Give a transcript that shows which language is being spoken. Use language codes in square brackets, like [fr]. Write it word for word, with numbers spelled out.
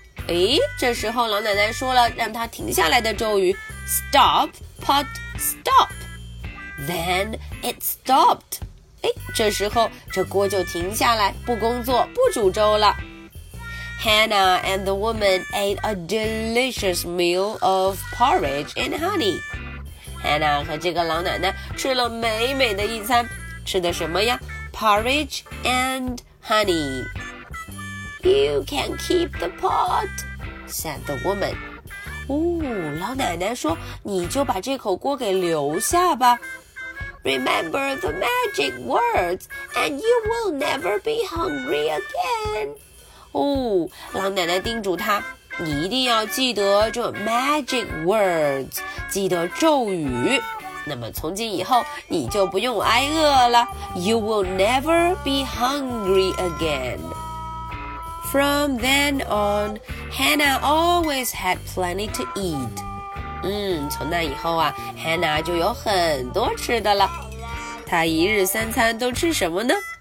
[zh] 诶，这时候老奶奶说了让她停下来的咒语 [en] Stop, pot, stop Then it stopped [zh] 诶，这时候这锅就停下来不工作不煮粥了 [en] Hannah and the woman ate a delicious meal of porridge and honey [zh] Hannah 和这个老奶奶吃了美美的一餐吃的什么呀 [en] Porridge and honey You can keep the pot, said the woman. [zh] 哦，老奶奶说，你就把这口锅给留下吧。 [en] Remember the magic words, and you will never be hungry again. [zh] 哦，狼奶奶叮嘱她，你一定要记得这 magic words， 记得咒语。那么从今以后你就不用挨饿了。 [en] You will never be hungry again. From then on, Hannah always had plenty to eat. [zh] 嗯，从那以后啊 Hannah 就有很多吃的了。她一日三餐都吃什么呢？